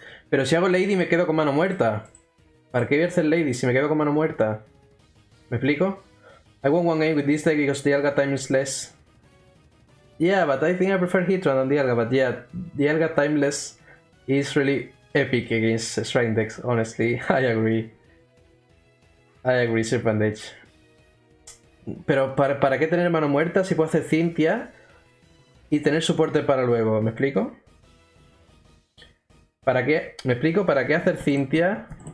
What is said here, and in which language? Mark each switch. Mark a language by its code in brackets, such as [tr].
[es] Pero si hago Lady me quedo con mano muerta. ¿Para qué voy a hacer Lady si me quedo con mano muerta? ¿Me explico? [en] I won 1A with this deck because Dialga time is less. Yeah, but I think I prefer Heatran than Dialga, but yeah, Dialga timeless is really epic against Shrine decks, honestly. I agree, Serpent Edge. [es] Pero ¿para qué tener mano muerta si puedo hacer Cynthia y tener soporte para luego? ¿Me explico? ¿Para qué? ¿Me explico? ¿Para qué hacer Cynthia?